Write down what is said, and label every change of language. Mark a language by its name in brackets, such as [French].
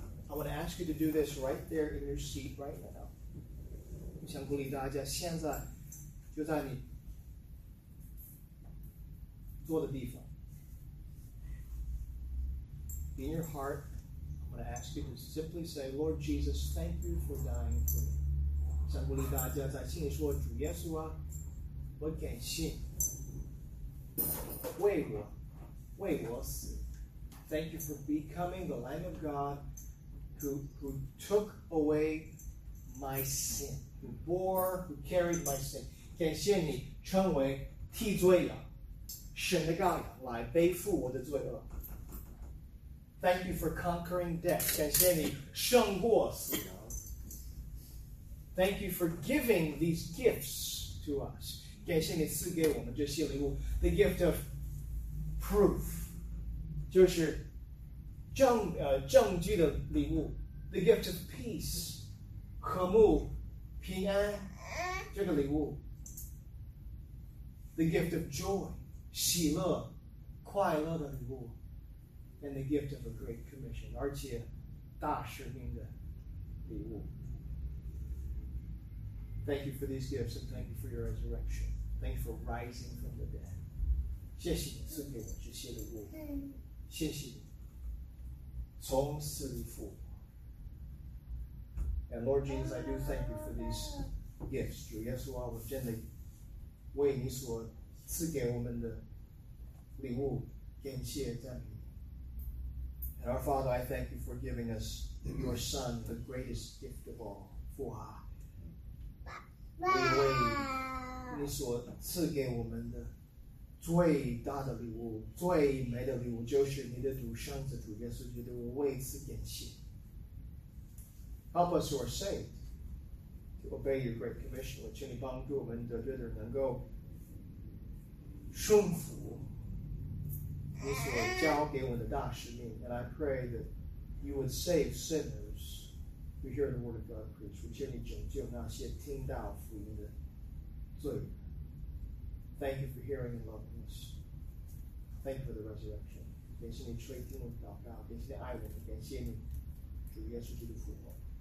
[English] I want to ask you to do this right there in your seat right now. [Chinese] 我想鼓励大家现在就在你坐的地方。 [English] In your heart, I'm going to ask you to simply say, Lord Jesus, thank you for dying for me. [Chinese] 想鼓励大家在心里说，主耶稣啊，我感谢为我死。 [English] Thank you for becoming the Lamb of God who took away my sin, who bore, who carried my sin. [Chinese] 感谢你成为替罪羊，神的羔羊来背负我的罪恶。 [English] Thank you for conquering death. [Chinese] 感谢你胜过死亡。 [English] Thank you for giving these gifts to us. [Chinese] 感谢你赐给我们这些礼物。 [English] The gift of proof. [Chinese] 就是证据的礼物。 [English] The gift of peace. [Chinese] 和睦平安这个礼物。 [English] The gift of joy. [Chinese] 喜乐快乐的礼物。 [English] And the gift of a great commission, [Chinese] 而且大使命的礼物。 [English] Thank you for these gifts and thank you for your resurrection. Thank you for rising from the dead. [Chinese] 谢谢你赐给我这些礼物。谢谢你从死里复活。 [English] And Lord Jesus, I do thank you for these gifts. [Chinese] 主耶稣啊，我真的为你所赐给我们的礼物感谢赞美。 [English] And our Father, I thank you for giving us your Son, the greatest gift of all. [Chinese] 父啊，因为你所赐给我们的最大的礼物、最美的礼物，就是你的独生子主耶稣基督，我为此感谢。 [English] Help us who are saved to obey your great commission. [Chinese] 我请你帮助我们的这人能够顺服你所交给我的大使命。 [English] And I pray that you would save sinners who hear the word of God preached. [Chinese] 我求你拯救那些听到福音的罪人。 [English] Thank you for hearing and loving us. Thank you for the resurrection. [Chinese] 感谢你垂听我的祷告，感谢你爱我们，感谢你主耶稣基督复活。